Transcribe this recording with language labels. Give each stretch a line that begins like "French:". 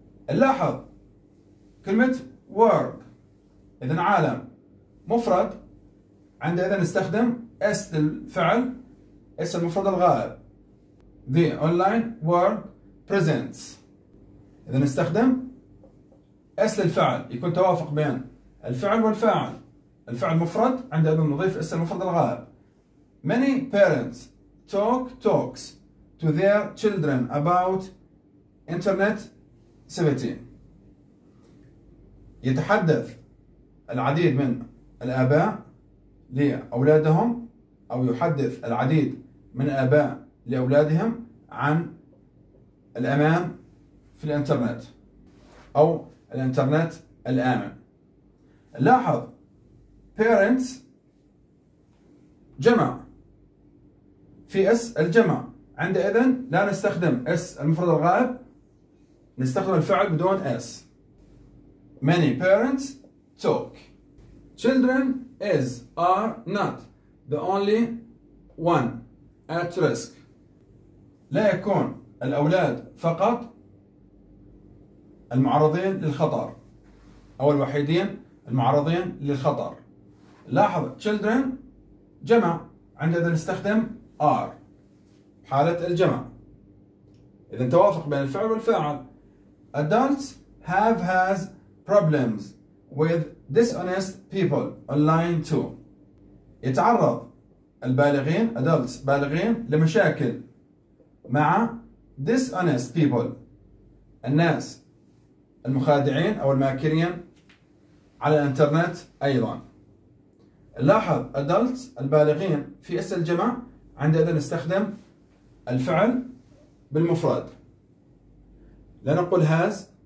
Arabic: لاحظ كلمة work إذن عالم مفرد، عندئذ نستخدم S للفعل، S المفرد الغائب.
English: The online work presents
Arabic: إذن نستخدم S للفعل، يكون توافق بين الفعل والفاعل، الفعل مفرد عندئذ نضيف S المفرد الغائب.
English: Many parents talks to their children about internet safety.
Arabic: يتحدث العديد من الآباء لأولادهم، أو يحدث العديد من الآباء لأولادهم عن الأمان في الإنترنت أو الإنترنت الآمن. لاحظ parents جمع في S الجمع، عندئذ لا نستخدم S المفرد الغائب، نستخدم الفعل بدون S.
English: Many parents talk. Children is are not the only one at risk.
Arabic: لا يكون الأولاد فقط المعرضين للخطر أو الوحيدين المعرضين للخطر. لاحظ children جمع، عندئذ نستخدم are حالة الجمع. إذا توافق بين الفعل والفاعل.
English: Adults has problems with dishonest people online too.
Arabic: يتعرض البالغين adults بالغين لمشاكل مع
English: dishonest people
Arabic: الناس المخادعين أو الماكرين على الإنترنت أيضا. لاحظ adults البالغين في اس الجمع، عندئذ نستخدم الفعل بالمفرد، لا نقول has.